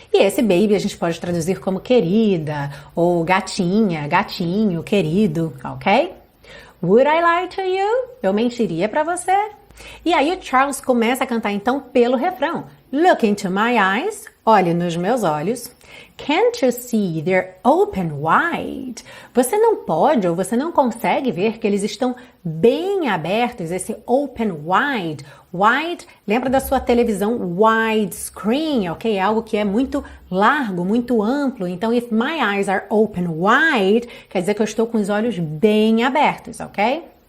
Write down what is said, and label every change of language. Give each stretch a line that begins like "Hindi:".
Portuguese: E esse baby a gente pode traduzir como querida, ou gatinha, gatinho, querido, ok?
English: Would I lie to you?
Portuguese: Eu mentiria pra você? E aí o Charles começa a cantar, então, pelo refrão.
English: Look into my eyes,
Portuguese: olhe nos meus olhos.
English: Can't you see they're open wide?
Portuguese: Você não pode ou você não consegue ver que eles estão bem abertos, esse open wide. Wide, lembra da sua televisão widescreen, ok? Algo que é muito largo, muito amplo. Então,
English: if my eyes are open wide,
Portuguese: quer dizer que eu estou com os olhos bem abertos, ok?